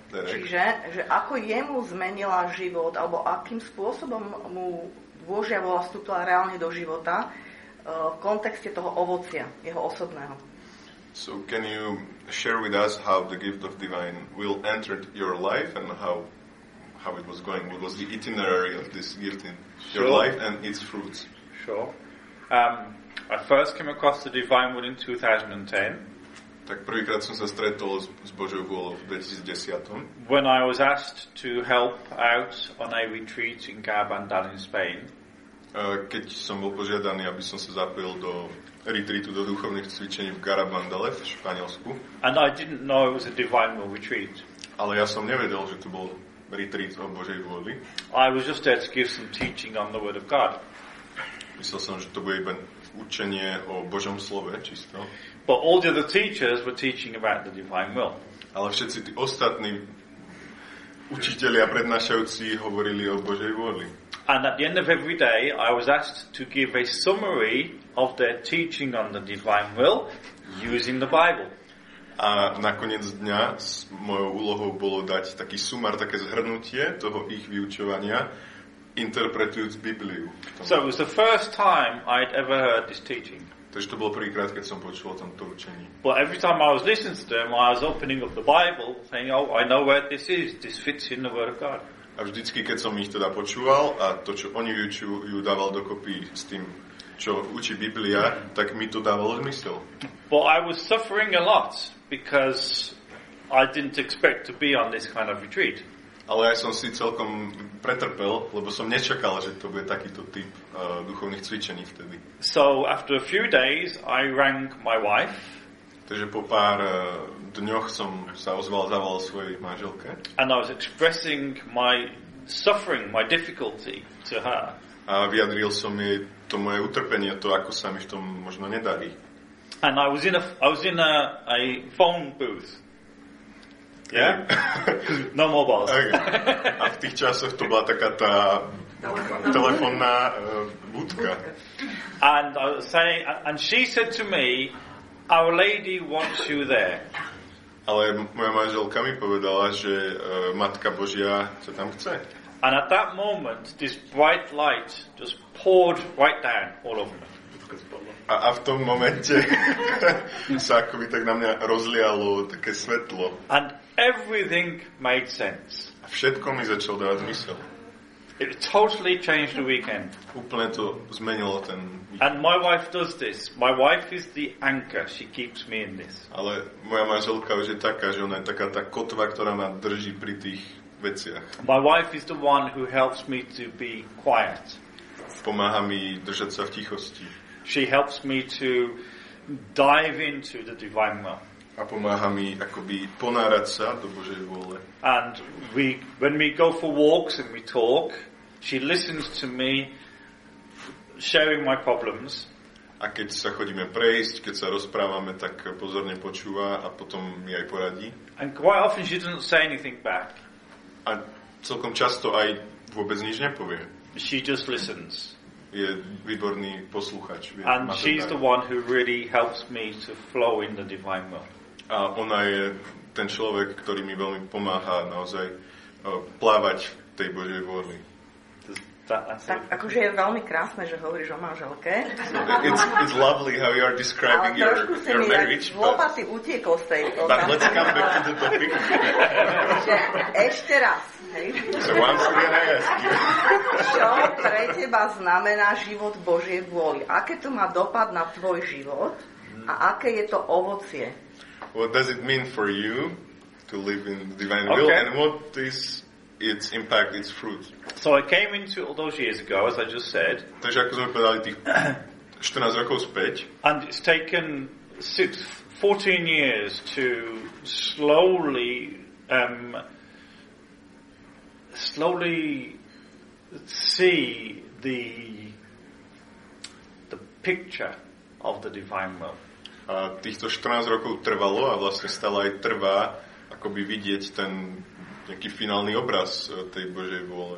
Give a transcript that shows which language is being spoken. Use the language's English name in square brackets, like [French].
[Slovak] že ako jemu zmenila život, alebo akým spôsobom mu Božia vôľa vstúpila reálne do života v kontexte toho ovocia, jeho osobného. [English] So can you share with us how the gift of divine will entered your life and how it was going? What was the itinerary of this gift in your life and its fruits? Sure. I first came across the divine will in 2010. [Slovak] Tak prvýkrát som sa stretol s Božou vôľou v 2010. [English] When I was asked to help out on a retreat in Carabandal in Spain. [Slovak] Keď som bol požiadaný, aby som sa zapojil do retreatu, do duchovných cvičení v Carabandale v Španielsku. [English] And I didn't know it was a divine will retreat. [Slovak] Ale ja som nevedel, že to bol retreat o Božej vôli. [English] I was just there to give some teaching on the word of God. [Slovak] Myslel som, že to bude iba učenie o Božom slove, čisto. [English] But all the other teachers were teaching about the divine will. [Slovak] Ale všetci tí ostatní učitelia prednášajúci hovorili o Božej vôli. [English] And at the end of every day, I was asked to give a summary of their teaching on the divine will using the Bible. [Slovak] A nakoniec dňa mojou úlohou bolo dať taký sumár, také zhrnutie toho ich vyučovania, interpretujúc Bibliu. [English] So it was the first time I'd ever heard this teaching. [Slovak] Takže to bolo prvýkrát, keď som počul tamto učenie. [English] But every time I was listening to them, I was opening up the Bible, saying, oh, I know where this is, this fits in the Word of God. [Slovak] A vždycky, keď som ich teda počúval a to, čo oni vyučujú, dával dokopy s tým, čo učí Biblia, tak mi to dávalo zmysel. [English] But I was suffering a lot, because I didn't expect to be on this kind of retreat. [Slovak] Ale ja som si celkom pretrpel, lebo som nečakal, že to bude takýto typ duchovných cvičení vtedy. [English] So after a few days I rang my wife. [Slovak] Takže po pár dňoch som sa ozval, zavolal svojej manželke. [English] And I was expressing my suffering, my difficulty to her. [Slovak] A vyjadril som jej to moje utrpenie, to ako sa mi v tom možno nedarí. [English] And I was in a phone booth. Yeah. No mobiles. Okay. [Slovak] A v tých časoch to bola taká tá telefónna budka. [English] And I was saying, and she said to me, Our Lady wants you there. [Slovak] Ale moja manželka mi povedala, že Matka Božia sa tam chce. [English] And at that moment this bright light just poured right down all over me. [Slovak] A v tom momente sa akoby tak na mňa rozlialo také svetlo. [English] And everything made sense. [Slovak] A všetko mi začalo dávať zmysel. [English] It totally changed the weekend. [Slovak] Úplne to zmenilo ten víkend. [English] And my wife does this. My wife is the anchor. She keeps me in this. [Slovak] Ale moja manželka už je taká, že ona je taká tá kotva, ktorá ma drží pri tých veciach. [English] My wife is the one who helps me to be quiet. [Slovak] Pomáha mi držať sa v tichosti. [English] She helps me to dive into the divine will. [Slovak] A pomáha mi akoby ponárať sa do Božej vôle. [English] And when we go for walks and we talk, she listens to me sharing my problems. [Slovak] A keď sa chodíme prejsť, keď sa rozprávame, tak pozorne počúva a potom mi aj poradí. [English] And quite often she doesn't say anything back. [Slovak] A celkom často aj vôbec nič nepovie. [English] She just listens. [Slovak] Je výborný poslucháč. [English] And she's the one who really helps me to flow in the divine will. [Slovak] A ona je ten človek, ktorý mi veľmi pomáha naozaj plávať v tej Božej vôli. Tak akože je veľmi krásne, že hovoríš o manželke. [English] It's lovely how you are describing your marriage. [Slovak] Ale trošku si mi aj zlopaty utiekol z tej otázky. [English] But let's come back to the topic. [Slovak] Ešte raz. [English] So once again I ask you. [Slovak] Čo pre teba znamená život Božej vôli? Aké to má dopad na tvoj život? A aké je to ovocie? [English] What does it mean for you to live in the divine will? And what is its impact, its fruit? So I came into all those years ago, as I just said. [Slovak] Takže ako sme povedali tých 14 rokov späť. [English] And it's taken 14 years to slowly see the picture of the divine will. [Slovak] A týchto 14 rokov trvalo a vlastne stále aj trvá akoby vidieť ten nejaký finálny obraz tej Božej vôle.